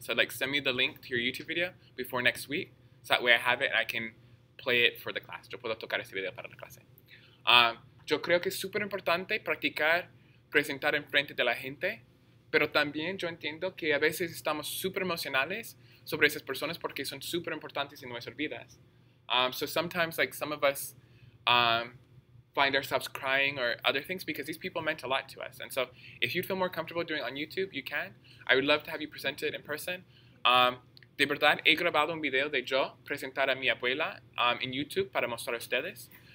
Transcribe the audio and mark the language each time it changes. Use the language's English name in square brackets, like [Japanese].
[English] So, like, send me the link to your YouTube video before next week. So that way I have it and I can play it for the class. [Spanish] Yo puedo tocar ese video para la clase. Yo creo que es súper importante practicar presentar en frente de la gente, pero también yo entiendo que a veces estamos súper emocionales sobre esas personas porque son súper importantes en nuestras vidas. [English] So sometimes, like, some of us find ourselves crying or other things because these people meant a lot to us. And so if you'd feel more comfortable doing it on YouTube, you can. I would love to have you present it in person. [Spanish] De verdad, he grabado un video de yo presentar a mi abuela en YouTube para mostrar a ustedes.